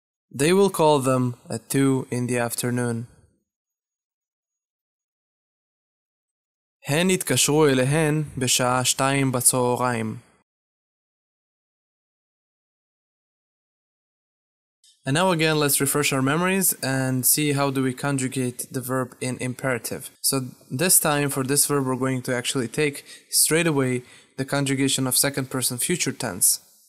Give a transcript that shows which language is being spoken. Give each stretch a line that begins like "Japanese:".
English: They will call them at 2 in the afternoon.
Hebrew: הן יתקשרו אליהן בשעה 2 בצהריים.
English: And now again, let's refresh our memories and see how do we conjugate the verb in imperative. So this time for this verb, we're going to actually take straight away the conjugation of second person future tense.